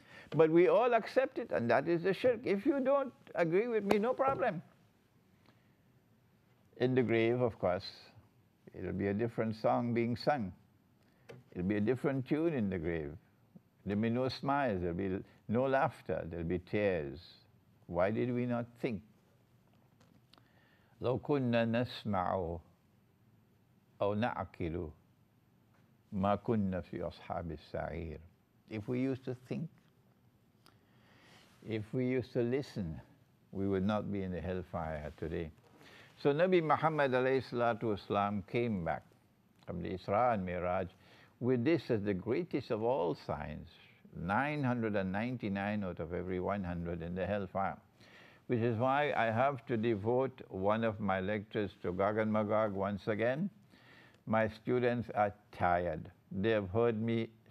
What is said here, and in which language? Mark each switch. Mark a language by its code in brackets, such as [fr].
[en] But we all accept it, and that is the shirk. If you don't agree with me, no problem. In the grave, of course, it'll be a different song being sung. It'll be a different tune in the grave. There'll be no smiles, there'll be no laughter, there'll be tears. Why did we not think? [ar] لو كنا نسمع أو نعقل ما كنا في أصحاب السعير. [en] If we used to think, if we used to listen, we would not be in the hellfire today. So Nabi Muhammad alayhi salatu wasalam came back from the Isra and Miraj with this as the greatest of all signs, 999 out of every 100 in the hellfire, which is why I have to devote one of my lectures to Gog and Magog once again. My students are tired. They have heard me